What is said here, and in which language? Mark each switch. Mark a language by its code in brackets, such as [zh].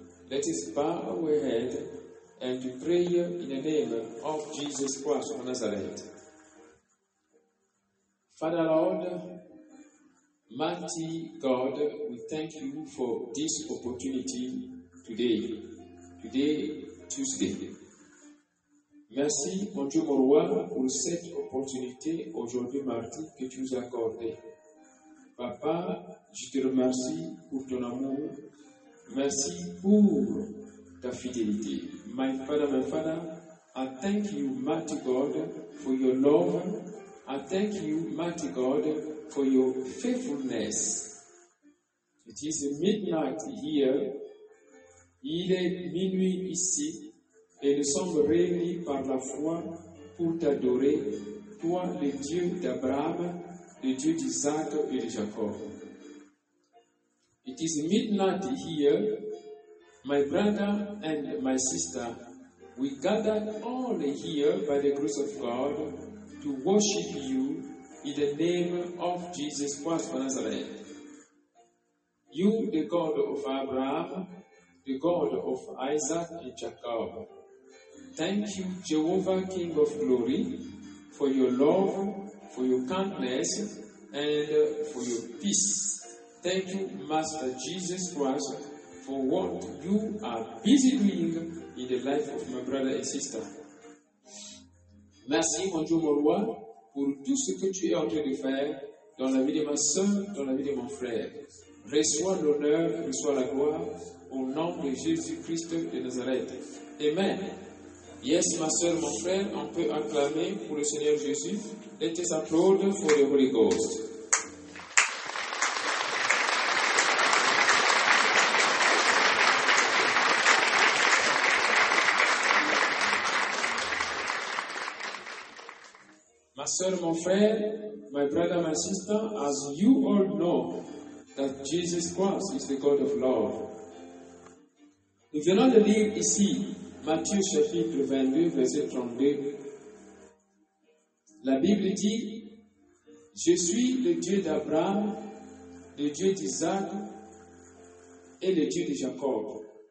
[en] Let us bow our head and pray in the name of Jesus Christ of Nazareth. Father Lord, mighty God, we thank you for this opportunity today, Tuesday. [fr] Merci, mon Dieu, mon roi, pour cette opportunité aujourd'hui, mardi, que tu nous as accordée. Papa, je te remercie pour ton amour. Merci pour ta fidélité. [en] My Father, I thank you, mighty God, for your love. I thank you, mighty God, for your faithfulness. It is midnight here. [fr] Il est minuit ici. Et nous sommes réunis par la foi pour t'adorer, toi, le Dieu d'Abraham, le Dieu d'Isaac et de Jacob. [en] It is midnight here. My brother and my sister, we gather all here by the grace of God to worship you in the name of Jesus Christ of Nazareth. You, the God of Abraham, the God of Isaac and Jacob. Thank you, Jehovah, King of Glory, for your love, for your kindness, and for your peace. Thank you, Master Jesus Christ, for what you are busy doing in the life of my brother and sister. [fr] Merci, mon Dieu, mon roi, pour tout ce que tu es en train de faire dans la vie de ma soeur, dans la vie de mon frère. Reçois l'honneur, reçois la gloire, au nom de Jésus-Christ de Nazareth. Amen. Yes, ma soeur, mon frère, on peut acclamer pour le Seigneur Jésus. [en] Let us applaud for the Holy Ghost. [fr] Ma soeur, mon frère, [en] my brother, my sister, as you all know that Jesus Christ is the God of love. [fr] Nous venons de lire ici Matthieu chapitre 22, verset 32. La Bible dit, je suis le Dieu d'Abraham, le Dieu d'Isaac et le Dieu de Jacob.